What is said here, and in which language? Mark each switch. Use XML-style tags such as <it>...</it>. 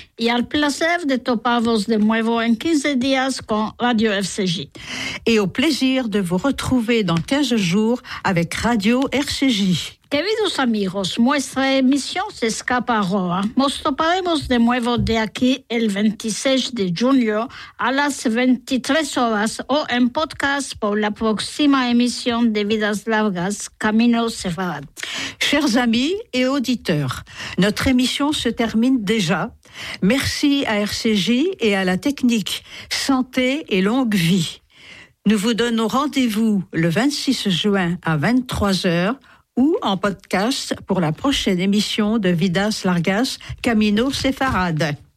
<lad>Y al placer de toparvos de nuevo en 15 días con Radio RCJ.</lad> <fr>Et au plaisir de vous retrouver dans 15 jours avec Radio RCJ.</fr> <lad>Queridos amigos, nuestra emisión se escapa ahora. Nos toparemos de nuevo de aquí el 26 de junio a las 23:00 o en podcast por la próxima emisión de Vidas Largas, Camino Sefarad.</lad> <fr>Chers amis et auditeurs, notre émission se termine déjà. Merci à RCJ et à la technique. Santé et longue vie. Nous vous donnons rendez-vous le 26 juin à 23:00 ou en podcast pour la prochaine émission de Vidas Largas, Camino Sefarad.</fr>